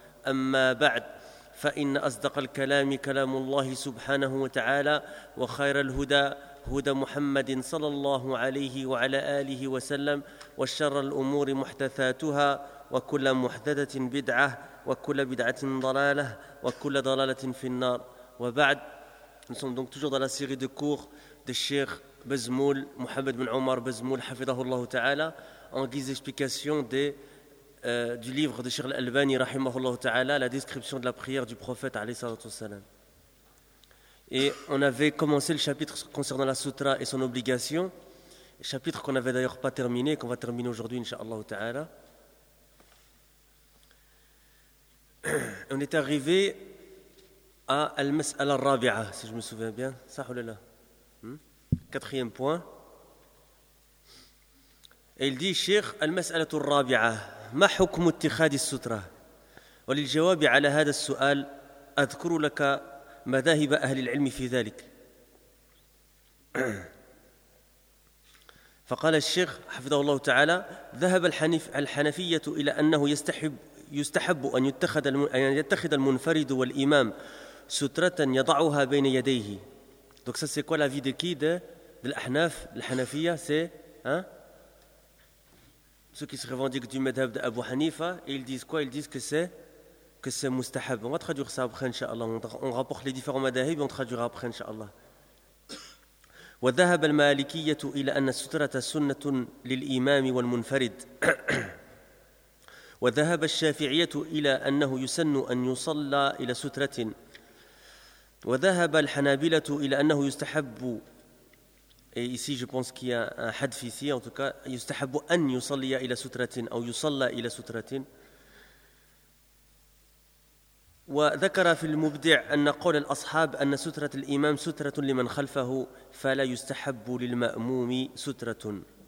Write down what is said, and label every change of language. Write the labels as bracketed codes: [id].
[ar] أما بعد، فإن أصدق الكلام كلام الله سبحانه وتعالى، وخير الهدى هدى محمد صلى الله عليه وعلى آله وسلم، وشر الأمور محدثاتها، وكل محدثة بدعة، وكل بدعة ضلالة، وكل ضلالة في النار. [fr] وبعد، nous sommes donc toujours dans la série de cours de Cheikh Bazmoul, Mohamed bin Omar Bazmoul, [ar] حفظه الله تعالى, [fr] en guise d'explication du livre de Cheikh Al-Albani, [ar] رحمه الله تعالى, [fr] la description de la prière du prophète, [ar] عليه الصلاة والسلام. [fr] Et on avait commencé le chapitre concernant la sutra et son obligation, chapitre qu'on n'avait d'ailleurs pas terminé, qu'on va terminer aujourd'hui, incha'Allah ta'ala. On est arrivé à [ar] al-mas'ala al-rabi'a, [fr] si je me souviens bien. Sahulala. Quatrième point. Et il dit, Cheikh, [ar] al-mas'ala al-rabi'a, ma hukmu ittikhadi al-sutra? Wa lil jawabi ala hada al-su'al, adhkuru laka مذاهب أهل العلم في ذلك. فقال الشيخ حفظه الله تعالى: ذهب الحنفية إلى أنه يستحب أن يتخذ المنفرد والإمام سترة يضعها بين يديه. [fr] Donc ça c'est quoi la vie de qui de l'Ahnaf, l'Hanafiya, c'est ceux qui se revendiquent du madhhab d'Abu Hanifa, et ils disent quoi? Ils disent que c'est mustahab. On va traduire ça après, inshallah. On rapporte les différents madahib et on traduira après, inshallah. [ar] وذهب المالكية إلى أن السترة سنة للإمام والمنفرد. وذهب الشافعية إلى أنه يسن أن يصلى إلى سترة. وذهب الحنابلة إلى أنه يستحب. [fr] Et ici, je pense qu'il y a un hadf ici, en tout cas, [ar] يستحب أن يصلي إلى سترة [fr] أو يصلى إلى سترة. [ar] وذكر في المبدع أن قول الأصحاب أن سترة الإمام سترة لمن خلفه فلا يستحب للمأموم سترة.